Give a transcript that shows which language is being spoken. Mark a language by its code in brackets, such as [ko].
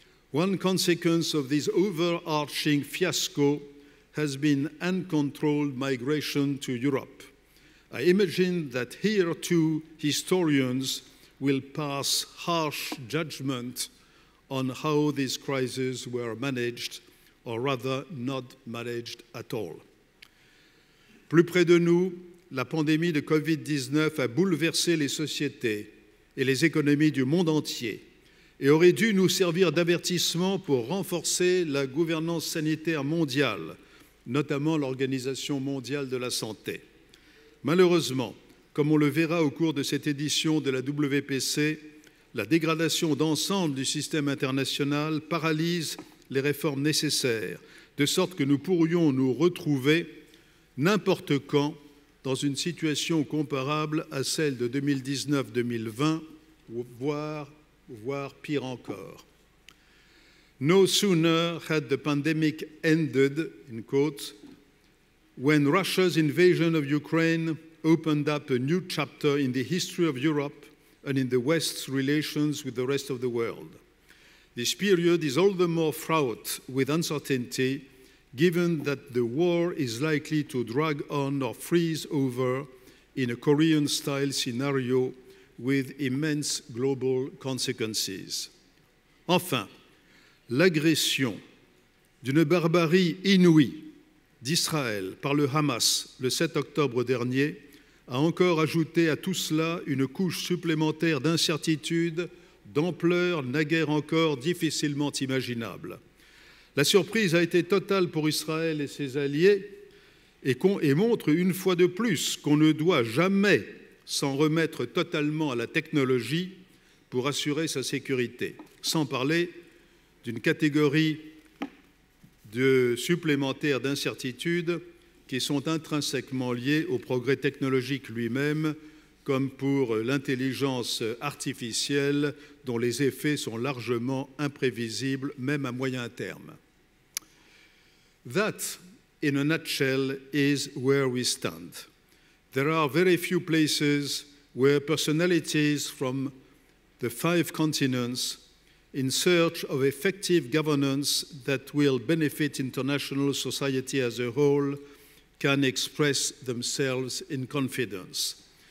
[en] One consequence of this overarching fiasco has been uncontrolled migration to Europe. I imagine that here too, historians will pass harsh judgment on how these crises were managed, or rather not managed at all. [fr] Plus près de nous, la pandémie de COVID-19 a bouleversé les sociétés et les économies du monde entier et aurait dû nous servir d'avertissement pour renforcer la gouvernance sanitaire mondiale, notamment l'Organisation mondiale de la santé. Malheureusement, comme on le verra au cours de cette édition de la WPC, la dégradation d'ensemble du système international paralyse les réformes nécessaires, de sorte que nous pourrions nous retrouver n'importe quand dans une situation comparable à celle de 2019-2020, voire pire encore. [en] No sooner had the pandemic ended, in quotes, when Russia's invasion of Ukraine opened up a new chapter in the history of Europe and in the West's relations with the rest of the world. This period is all the more fraught with uncertainty, given that the war is likely to drag on or freeze over in a Korean-style scenario with immense global consequences. [fr] Enfin, l'agression d'une barbarie inouïe d'Israël par le Hamas le 7 octobre dernier a encore ajouté à tout cela une couche supplémentaire d'incertitude d'ampleur naguère encore difficilement imaginable. La surprise a été totale pour Israël et ses alliés et montre une fois de plus qu'on ne doit jamais s'en remettre totalement à la technologie pour assurer sa sécurité, sans parler d'une catégorie de supplémentaires d'incertitudes qui sont intrinsèquement liées au progrès technologique lui-même, comme pour l'intelligence artificielle dont les effets sont largement imprévisibles, même à moyen terme. [en] That, in a nutshell, is where we stand. There are very few places where personalities from the five continents in search of effective governance that will benefit international society as a whole can express themselves in confidence.